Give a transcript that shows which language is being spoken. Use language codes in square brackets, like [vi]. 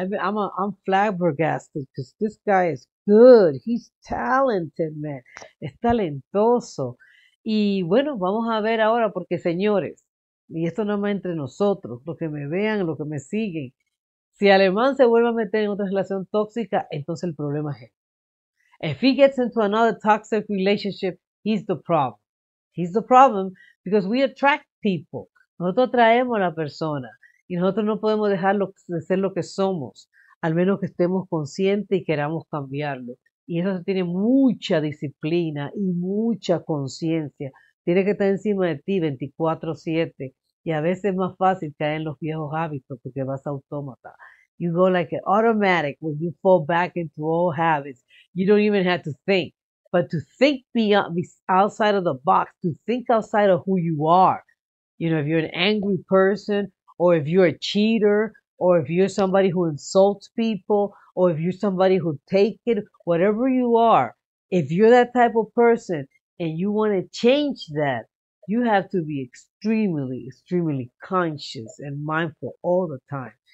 [en] I'm flabbergasted, because this guy is good, he's talented, man, [es] es talentoso. Y bueno, vamos a ver ahora, porque señores, y esto no más entre nosotros, los que me vean, los que me siguen, si Alemán se vuelve a meter en otra relación tóxica, entonces el problema es él. [en] If he gets into another toxic relationship, he's the problem. He's the problem because we attract people. [es] Nosotros atraemos a la persona y nosotros no podemos dejarlo de ser lo que somos, al menos que estemos conscientes y queramos cambiarlo. Y eso tiene mucha disciplina y mucha conciencia. Tiene que estar encima de ti 24/7. Y a veces es más fácil caer en los viejos hábitos porque vas autómata. [en] You go like an automatic when you fall back into old habits. You don't even have to think. But to think beyond, outside of the box, to think outside of who you are. You know, if you're an angry person, or if you're a cheater, or if you're somebody who insults people, or if you're somebody who take it, whatever you are, if you're that type of person and you want to change that, you have to be extremely, extremely conscious and mindful all the time.